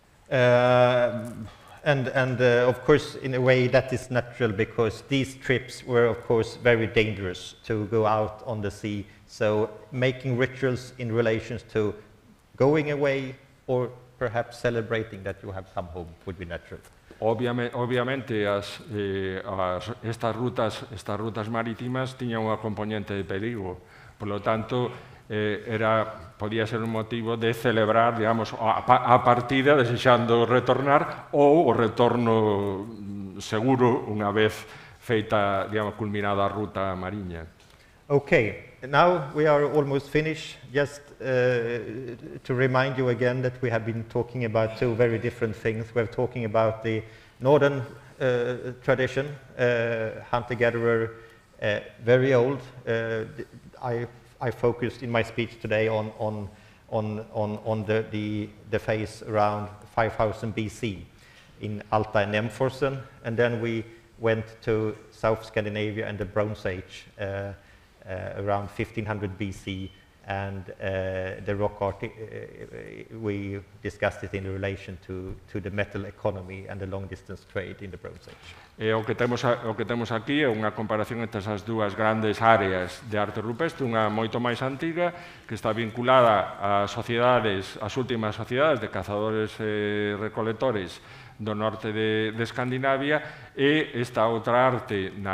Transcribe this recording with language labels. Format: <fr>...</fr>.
<en>And of course, in a way, that is natural, because these trips were, of course, very dangerous to go out on the sea. So making rituals in relation to going away or perhaps celebrating that you have come home would be natural.</en> <gl>Obviamente, estas rutas marítimas tiñan unha componente de perigo.</gl> <es>Por lo tanto,</es> <gl>podía ser un motivo de celebrar, digamos, a partida desexando retornar ou o retorno seguro unha vez feita, digamos, culminada a ruta mariña.</gl> <en>Okay. Now we are almost finished. Just to remind you again that we have been talking about two very different things. We're talking about the northern tradition, hunter-gatherer, very old. I focused in my speech today on the phase around 5000 BC in Alta and Nemforsen, and then we went to South Scandinavia and the Bronze Age. Around 1500 BC, and the rock art, we discussed it in relation to the metal economy and the long distance trade in the Bronze Age.</en> <gl>O que temos aquí é unha comparación entre esas dúas grandes áreas de arte rupestre, unha moito máis antiga, que está vinculada ás últimas sociedades de cazadores e recolectores do norte de Escandinavia, e esta outra arte</gl>